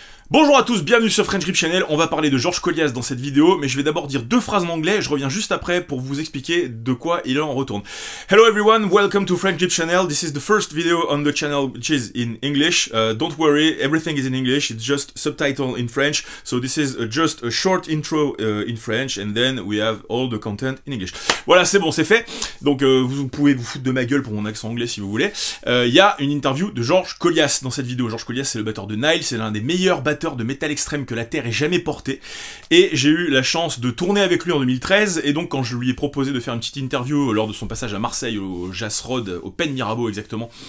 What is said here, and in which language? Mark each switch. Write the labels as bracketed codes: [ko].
[fr] Bonjour à tous, bienvenue sur FrSub Channel, on va parler de GEORGE KOLLIAS dans cette vidéo, mais je vais d'abord dire deux phrases en anglais, je reviens juste après pour vous expliquer de quoi il en retourne. [en] Hello everyone, welcome to FrSub Channel, this is the first video on the channel which is in English. Don't worry, everything is in English, it's just subtitle in French, so this is just a short intro in French, and then we have all the content in English. [fr] Voilà, c'est bon, c'est fait, donc vous pouvez vous foutre de ma gueule pour mon accent anglais si vous voulez. Il y a une interview de GEORGE KOLLIAS dans cette vidéo. GEORGE KOLLIAS, c'est le batteur de Nile, c'est l'un des meilleurs batteur de métal extrême que la Terre ait jamais porté, et j'ai eu la chance de tourner avec lui en 2013, et donc quand je lui ai proposé de faire une petite interview lors de son passage à Marseille au Jazz Road, au Pen Mirabeau exactement,